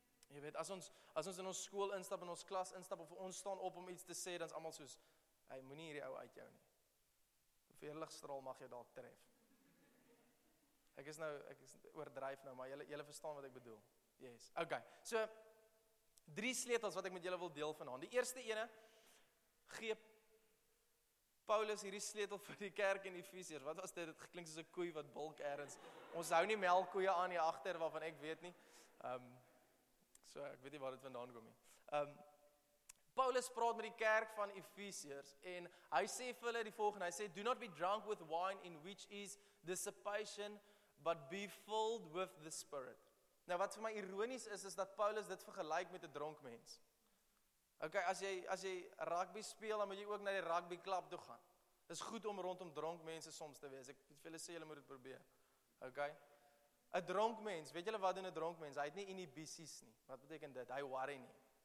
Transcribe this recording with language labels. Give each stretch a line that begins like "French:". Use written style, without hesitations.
Afrikaans: Jy weet, as ons in ons skool instap, in ons klas instap, of ons staan op om iets te sê, dan is allemaal soos, hey, moet nie hierdie ou uit jou nie. Veerligstraal mag jy dalk tref. Ek oordryf nou, maar julle verstaan wat ek bedoel.
English: Yes. Okay.
Afrikaans: So drie sleutels wat ek met julle wil deel vanaand. Die eerste ene gee Paulus hierdie sleutel vir die kerk in Efesiërs. Wat was dit? Dit klink soos 'n koei wat bulk ergens. Ons hou nie melkkoeie aan hier agter waarvan ek weet nie. So ek weet nie waar dit vandaan kom nie. Paulus praat met die kerk van Efesiërs en hy sê vir hulle die volgende. Hy sê
English: do not be drunk with wine in which is dissipation, but be filled with the Spirit.
Afrikaans: Nou wat vir my ironies is, is dat Paulus dit vergelyk met 'n dronk mens. Okay, as jy rugby speel, dan moet jy ook na die rugby klub toe gaan. Dis goed om rondom dronk mense soms te wees. Ek vir julle sê, julle moet dit probeer. Okay? 'N dronk mens, weet julle wat doen 'n dronk mens? Hy het nie inhibisies nie. Wat beteken dit? Hy worry nie.